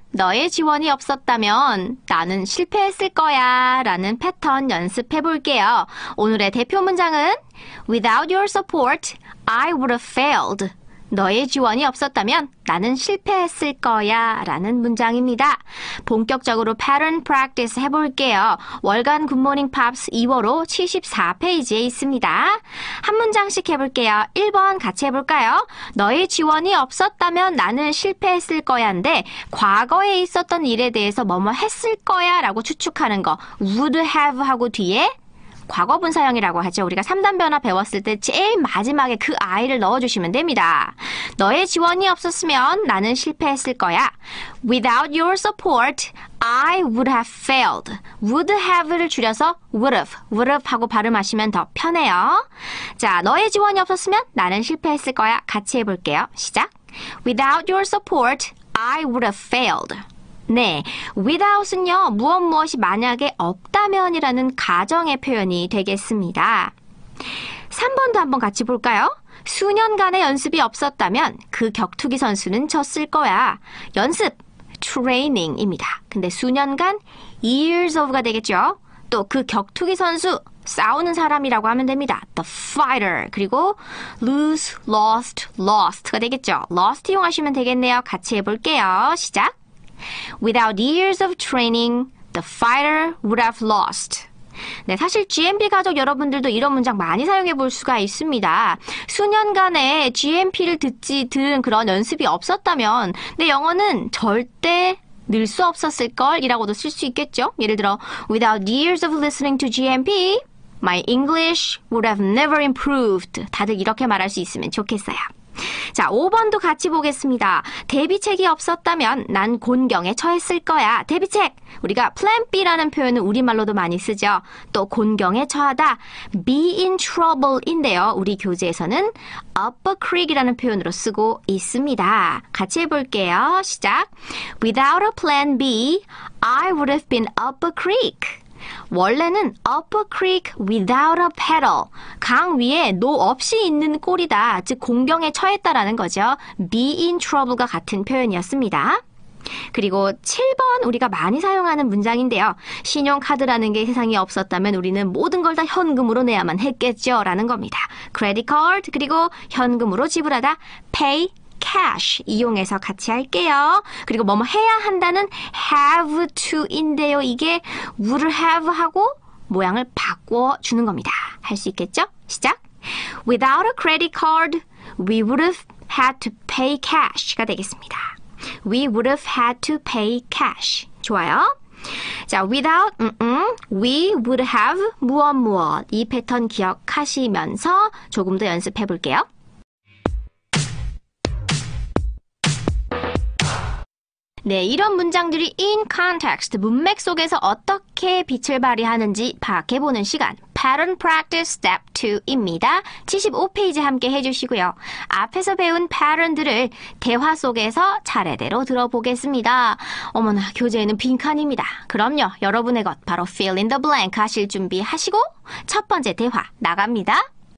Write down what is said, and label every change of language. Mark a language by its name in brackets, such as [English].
[Korean] 너의 지원이 없었다면 나는 실패했을 거야 라는 패턴 연습해 볼게요. 오늘의 대표 문장은 [English] Without your support, I would have failed. [Korean] 너의 지원이 없었다면 나는 실패했을 거야 라는 문장입니다. 본격적으로 pattern practice 해볼게요. 월간 굿모닝 팝스 2월호 74페이지에 있습니다. 한 문장씩 해볼게요. 1번 같이 해볼까요? 너의 지원이 없었다면 나는 실패했을 거야인데 과거에 있었던 일에 대해서 뭐뭐 했을 거야 라고 추측하는 거. would have 하고 뒤에 과거분사형이라고 하죠. 우리가 3단 변화 배웠을 때 제일 마지막에 그 I를 넣어주시면 됩니다. 너의 지원이 없었으면 나는 실패했을 거야. [English] Without your support, I would have failed. [Korean] Would have를 줄여서 would have 하고 발음하시면 더 편해요. 자, 너의 지원이 없었으면 나는 실패했을 거야. 같이 해볼게요. 시작. [English] Without your support, I would have failed. [Korean] 네, without은요, 무엇 무엇이 만약에 없다면이라는 가정의 표현이 되겠습니다. 3번도 한번 같이 볼까요? 수년간의 연습이 없었다면 그 격투기 선수는 졌을 거야. 연습, training입니다. 근데 수년간 years of가 되겠죠? 또그 격투기 선수, 싸우는 사람이라고 하면 됩니다. The fighter. 그리고 lose, lost, lost가 되겠죠? lost 이용하시면 되겠네요. 같이 해볼게요. 시작. [English] Without years of training, the fighter would have lost. [Korean] 네, 사실 GMP 가족 여러분들도 이런 문장 많이 사용해 볼 수가 있습니다. 수년간의 GMP를 듣지 들은 그런 연습이 없었다면 내 영어는 절대 늘수 없었을 걸 이라고도 쓸수 있겠죠. 예를 들어, [English] Without years of listening to GMP, my English would have never improved. [Korean] 다들 이렇게 말할 수 있으면 좋겠어요. 자, 5번도 같이 보겠습니다. 대비책이 없었다면 난 곤경에 처했을 거야. 대비책! 우리가 plan B라는 표현은 우리말로도 많이 쓰죠. 또 곤경에 처하다. be in trouble인데요. 우리 교재에서는 up a creek이라는 표현으로 쓰고 있습니다. 같이 해볼게요. 시작. [English] Without a plan B, I would have been up a creek. [Korean] 원래는 [English] up a creek without a paddle. [Korean] 강 위에 노 없이 있는 꼴이다. 즉, 곤경에 처했다라는 거죠. be in trouble과 같은 표현이었습니다. 그리고 7번 우리가 많이 사용하는 문장인데요. 신용카드라는 게 세상에 없었다면 우리는 모든 걸다 현금으로 내야만 했겠죠. 라는 겁니다. credit card, 그리고 현금으로 지불하다. pay. cash 이용해서 같이 할게요. 그리고 뭐뭐 해야 한다는 have to인데요. 이게 would have 하고 모양을 바꿔 주는 겁니다. 할수 있겠죠? 시작. [English] Without a credit card, we would have had to pay cash [Korean] 가 되겠습니다. [English] We would have had to pay cash. [Korean] 좋아요. 자, without, we would have 무엇 무엇 이 패턴 기억하시면서 조금 더 연습해 볼게요. 네, 이런 문장들이 [English] in context, [Korean] 문맥 속에서 어떻게 빛을 발휘하는지 파악해보는 시간. [English] Pattern Practice Step 2입니다. [Korean] 75페이지 함께 해주시고요. 앞에서 배운 패턴들을 대화 속에서 차례대로 들어보겠습니다. 어머나, 교재에는 빈칸입니다. 그럼요, 여러분의 것, 바로 [English] fill in the blank [Korean] 하실 준비하시고, 첫 번째 대화 나갑니다.